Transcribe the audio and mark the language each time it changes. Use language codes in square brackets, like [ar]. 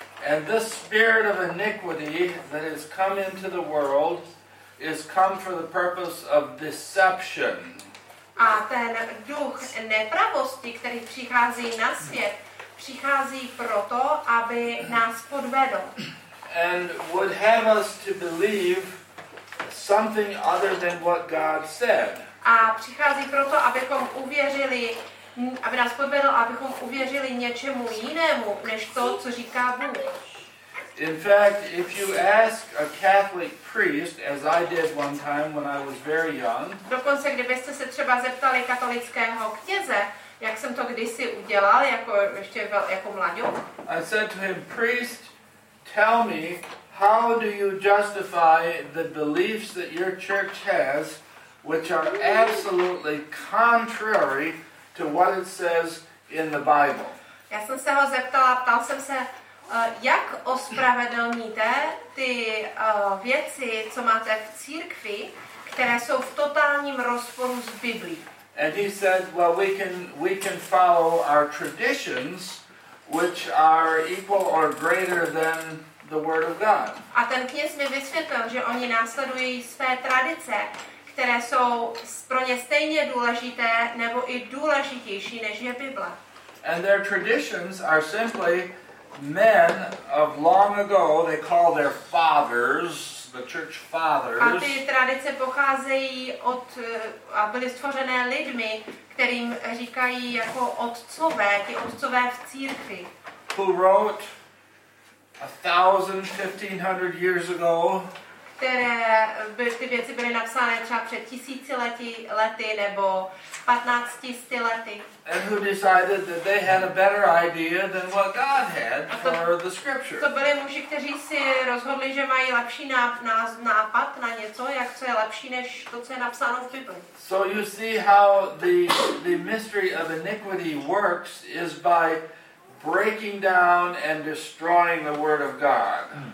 [en] And this spirit of iniquity that has come into the world is come for the purpose of deception. [cs] A ten duch nepravosti, který přichází na svět, přichází proto, aby nás podvedl. [en] And would have us to believe something other than what God said. [cs] A přichází proto, abychom uvěřili, aby nás podvedl, abychom uvěřili něčemu jinému, než to, co říká Bůh. [en] In fact, if you ask a Catholic priest, as I did one time when I was very young. [cs] Dokonce kdybyste se třeba zeptali katolického kněze, jak jsem to kdysi udělal, jako mladík. [en] I said to him, priest, tell me, how do you justify the beliefs that your church has, which are absolutely contrary to what it says in the Bible? [cs] Já jsem se ho zeptal, ptal jsem se, jak ospravedlníte ty věci, co máte v církvi, které jsou v totálním rozporu s Biblí. [en] And he said, well, we can follow our traditions, which are equal or greater than the Word of God. [cs] A ten kněz mi vysvětlil, že oni následují své tradice, které jsou pro ně stejně důležité nebo i důležitější než je Bible. [en] And their traditions are simply men of long ago, they call their fathers, the church fathers. [cs] A ty tradice pocházejí od a byly stvořené lidmi, kterým říkají jako otcové, ty otcové v církvi. [en] Who wrote 1,000-1,500 years ago? [cs] Které by ty věci byly napsány třeba před 1000 lety nebo 1500 lety. [en] And who decided that they had a better idea than what God had for the scripture. [cs] To byli muži, kteří si rozhodli, že mají lepší nápad na něco, jak co je lepší než to, co je napsáno v Bibli. [en] So you see how the mystery of iniquity works is by breaking down and destroying the Word of God.